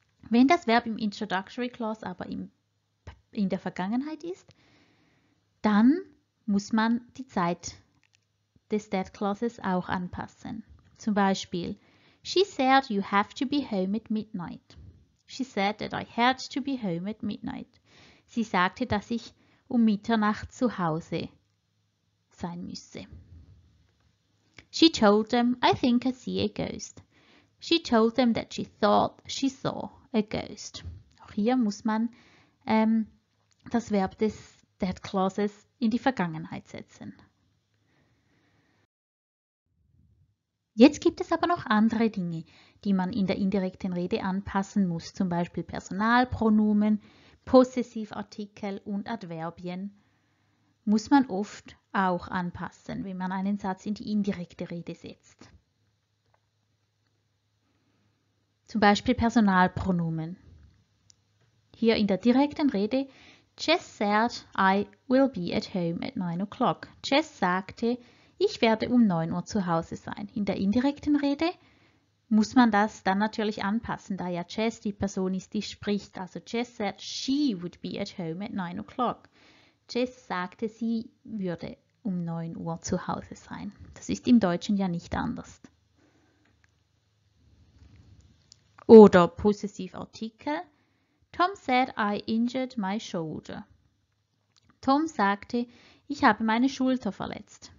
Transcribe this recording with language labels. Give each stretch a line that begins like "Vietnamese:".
German: Wenn das Verb im introductory clause aber in der Vergangenheit ist, dann muss man die Zeit des that clauses auch anpassen. Zum Beispiel,
English: she said you have to be home at midnight. She said that I had to be home at midnight.
German: Sie sagte, dass ich um Mitternacht zu Hause sein müsse.
English: She told them, I think I see a ghost. She told them that she thought she saw a ghost.
German: Auch hier muss man das Verb des that clauses in die Vergangenheit setzen. Jetzt gibt es aber noch andere Dinge, die man in der indirekten Rede anpassen muss, zum Beispiel Personalpronomen, Possessivartikel und Adverbien muss man oft auch anpassen, wenn man einen Satz in die indirekte Rede setzt. Zum Beispiel Personalpronomen. Hier in der direkten Rede,
English: Jess said, I will be at home at 9 o'clock.
German: Jess sagte, ich werde um 9 Uhr zu Hause sein. In der indirekten Rede muss man das dann natürlich anpassen, da ja Jess die Person ist, die spricht.
English: Also Jess said, she would be at home at 9 o'clock.
German: Jess sagte, sie würde um 9 Uhr zu Hause sein. Das ist im Deutschen ja nicht anders. Oder Possessivartikel.
English: Tom said, I injured my shoulder.
German: Tom sagte, ich habe meine Schulter verletzt.